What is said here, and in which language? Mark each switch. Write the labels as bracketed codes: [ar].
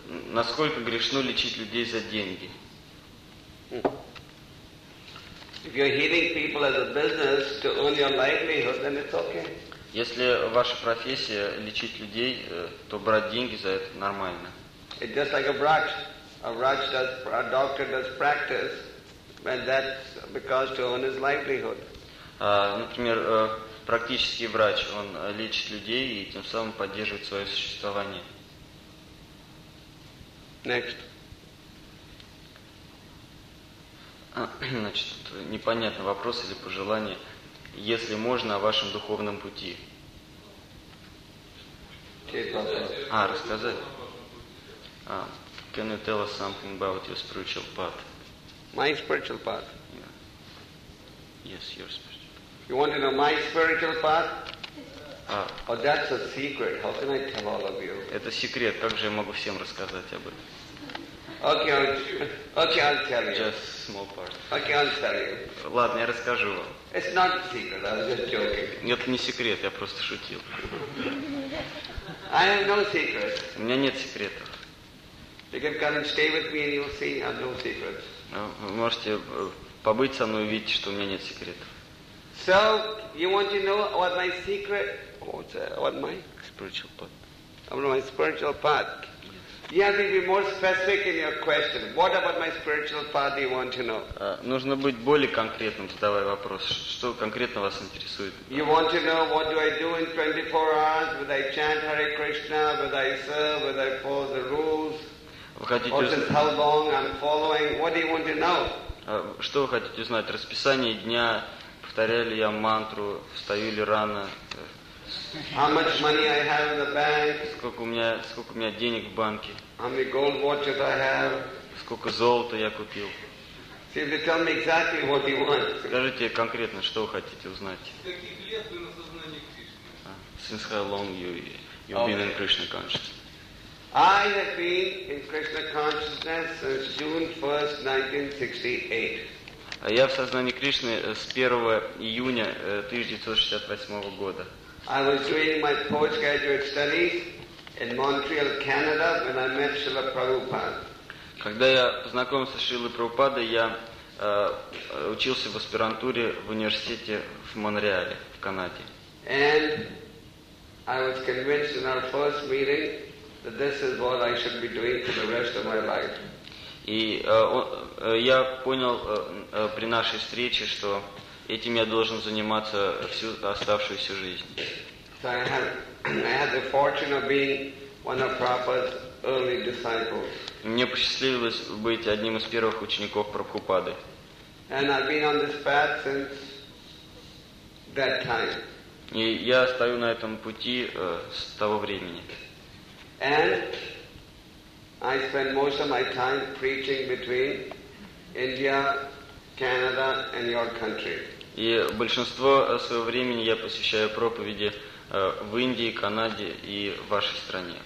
[ru] Насколько грешно лечить людей за деньги? [en] If you're healing people as a business to earn your livelihood, then it's okay. [ru] Если ваша профессия лечить людей, то брать деньги за это нормально. [en] It's just like a brush. A doctor does practice, and that's because to earn his livelihood. [ru] Например, практический врач, он лечит людей и тем самым поддерживает свое существование. [en] Next. [ru] Значит, непонятно, вопрос или пожелание, если можно, о вашем духовном пути. Рассказать. [en] Can you tell us something about your spiritual path? My spiritual path? Yeah. Yes, your spiritual path. You want to know my spiritual path? Oh, that's a secret. How can I tell all of you? [ru] Это секрет. Как же я могу всем рассказать об этом? [en] Okay, I'll tell you. Just small part. Okay, I'll tell you. [ru] Ладно, я расскажу вам. [en] It's not a secret. I'm just joking. [ru] Нет, не секрет. Я просто шутил. [en] I have no secrets. [ru] У меня нет секретов. [en] You can come and stay with me, and you'll see I have no secrets. [ru] Вы можете побыть со мной и увидеть, что у меня нет секретов. [en] So you want to know what my secret? What my spiritual path? My spiritual path. You have to be more specific in your question. What about my spiritual path do you want to know? [ru] Нужно быть более конкретным, задавая вопрос. Что конкретно вас интересует? [en] You want to know what do I do in 24 hours? Would I chant Hare Krishna? Would I serve? Would I follow the rules? Or since how long I'm following? What do you want to know? [ru] Что вы хотите узнать? Расписание дня, повторяю ли я мантру, встаю ли рано? [en] How much money I have in the bank? [ru] Сколько у меня денег в банке? [en] How many gold watches I have? [ru] Сколько золота я купил? [en] See, if you tell me exactly what you want. [ru] Скажите конкретно, что вы хотите узнать? [en] Since how long you've been in Krishna consciousness? I have been in Krishna consciousness since June 1st, 1968. [ru] А я в сознании Кришны с 1 июня 1968 года. [en] I was doing my postgraduate studies in Montreal, Canada, when I met Srila Prabhupada. [ru] Когда я познакомился с Шрилой Прабхупадой, я учился в аспирантуре в университете в Монреале, в Канаде. [en] And I was convinced in our first meeting that this is what I should be doing for the rest of my life. [ru] И я понял при нашей встрече, что этим я должен заниматься всю оставшуюся жизнь. [en] So I had the fortune of being one of Prabhupada's early disciples. [ru] Мне посчастливилось быть одним из первых учеников Прабхупады. [en] And I've been on this path since that time. [ru] И я стою на этом пути с того времени. [en] And I spend most of my time preaching between India, Canada, and your country. [ru] И большинство своего времени я посвящаю проповеди в Индии, Канаде и в вашей стране.